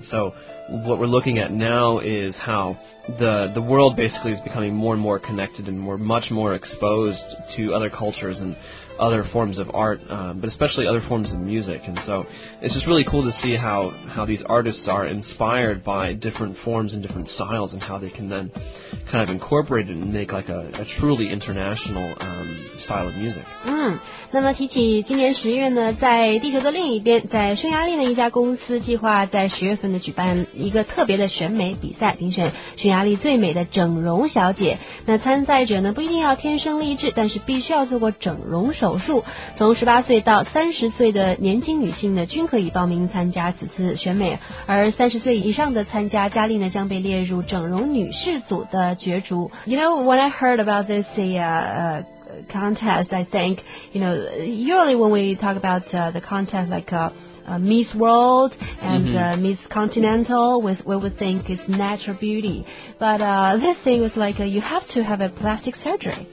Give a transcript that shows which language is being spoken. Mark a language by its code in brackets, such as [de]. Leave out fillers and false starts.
[en] And so what we're looking at now is how the world basically is becoming more and more connected, and we're much more exposed to other cultures and other forms of art, but especially other forms of music. And so it's just really cool to see how these artists are inspired by different forms and different styles, and how they can then kind of incorporate it and make like a truly international style of music. [zh] 那么提起今年十月呢，在地球的另一边，在匈牙利的一家公司计划在十月份的举办一个特别的选美比赛，评选匈牙利最美的整容小姐。那参赛者呢，不一定要天生丽质，但是必须要做过整容手术，从十八岁到三十岁的年轻女性呢，均可以报名参加此次选美。而三十岁以上的参加佳丽呢，将被列入整容女士组的角逐。 [en] You know, when I heard about this, contest, I think, you know, usually when we talk about the contest, like Miss World and Miss Continental, what we think is natural beauty. But this thing was like you have to have a plastic surgery.